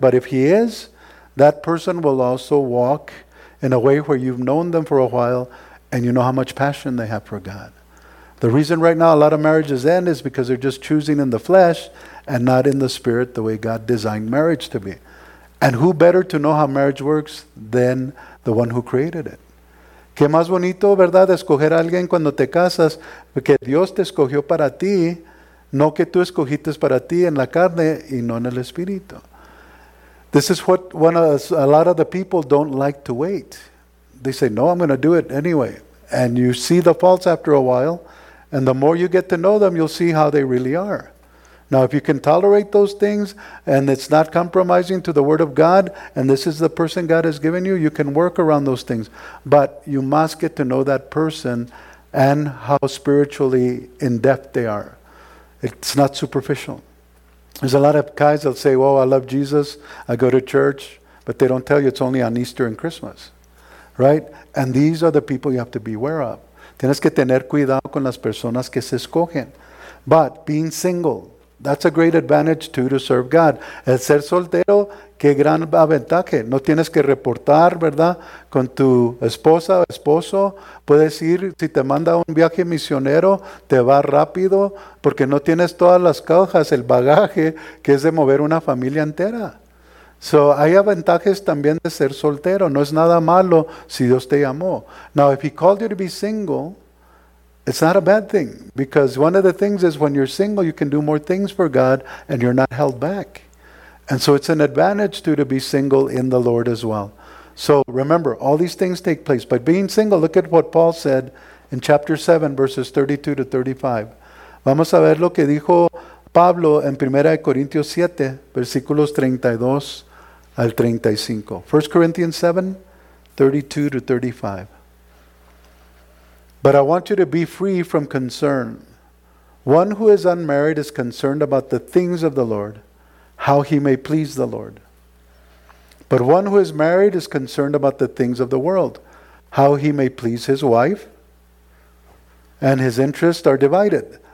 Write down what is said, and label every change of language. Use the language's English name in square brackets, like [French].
[English] But if He is, that person will also walk in a way where you've known them for a while, and you know how much passion they have for God. The reason right now a lot of marriages end is because they're just choosing in the flesh and not in the spirit the way God designed marriage to be. And who better to know how marriage works than the one who created it? [Spanish] ¿Qué más bonito, verdad, escoger a alguien cuando te casas? Porque Dios te escogió para ti, no que tú escogiste para ti en la carne y no en el espíritu. [English] This is what a lot of the people don't like to wait. They say, no, I'm going to do it anyway. And you see the faults after a while. And the more you get to know them, you'll see how they really are. Now, if you can tolerate those things, and it's not compromising to the Word of God, and this is the person God has given you, you can work around those things. But you must get to know that person and how spiritually in depth they are. It's not superficial. There's a lot of guys that say, well, I love Jesus, I go to church, but they don't tell you it's only on Easter and Christmas. Right? And these are the people you have to beware of. [Spanish] Tienes que tener cuidado con las personas que se escogen. [English] But being single, that's a great advantage too, to serve God. [Spanish] El ser soltero, qué gran ventaja. No tienes que reportar, ¿verdad?, con tu esposa o esposo. Puedes ir, si te manda un viaje misionero, te va rápido, porque no tienes todas las cajas, el bagaje, que es de mover una familia entera. So, hay ventajas también de ser soltero. No es nada malo si Dios te llamó. [English] Now, if He called you to be single, it's not a bad thing. Because one of the things is when you're single, you can do more things for God and you're not held back. And so, it's an advantage to be single in the Lord as well. So, remember, all these things take place. But being single, look at what Paul said in chapter 7, verses 32 to 35. [Spanish] Vamos a ver lo que dijo Pablo en 1 Corintios 7, versículos 32 al 35. [English] 1 Corinthians 7, 32 to 35. But I want you to be free from concern. One who is unmarried is concerned about the things of the Lord, how he may please the Lord. But one who is married is concerned about the things of the world, how he may please his wife, and his interests are divided.